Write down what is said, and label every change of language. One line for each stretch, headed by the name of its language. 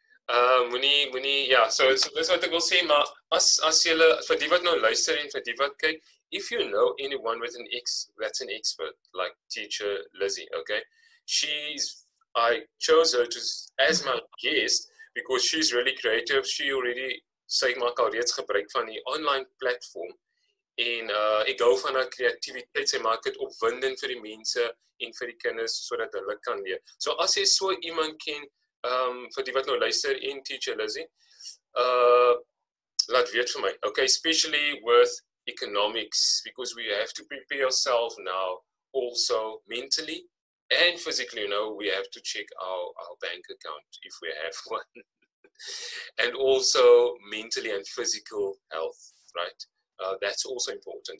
Afrikaans: Dis wat ek wil sê, maar as jy, vir die wat nou luister en vir die wat kyk,
English: if you know anyone with that's an expert, like teacher Lizzie, okay, I chose her as my guest because she's really creative. She already,
Afrikaans: sê ek maak al reeds gebruik van die online platform. En ek hou van haar creativiteit. Sy maak het opwindend vir die mense en vir die kinders, so dat hulle kan leer. So as jy so iemand ken, vir die wat nou luister en teacher Lizzie, laat weet vir my.
English: Okay, especially with economics, because we have to prepare ourselves now also mentally. And physically, you know, we have to check our bank account if we have one. And also mentally and physical health, right? That's also important.